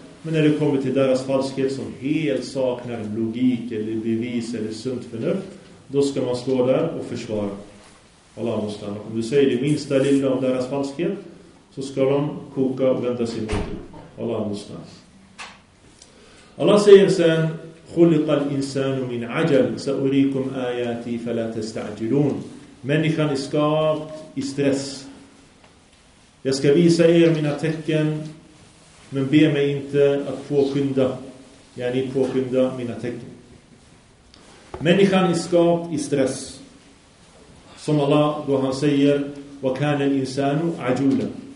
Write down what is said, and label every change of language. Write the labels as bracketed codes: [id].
[sv] Men när det kommer till deras falskhet som helt saknar logik eller bevis eller sunt förnuft, då ska man stå där och försvara. Allah måste. Om du säger det minsta lilla om deras falskhet, så ska de koka och vända sig mot dig. Allah måste. Allah säger sen, [ar] خُلِقَ الْإِنسَانُ مِنْ عَجَلٍ سَأُرِيكُمْ آيَاتِي فَلَا تَسْتَعْجِلُونَ. [sv] Människan är skapt i stress. Jag ska visa er mina tecken, men be mig inte att påskynda. Yani påskynda mina tecken. Människan är skapt i stress. Som Allah då han säger, [ar] وَكَانَ الْإِنسَانُ عَجُولًا.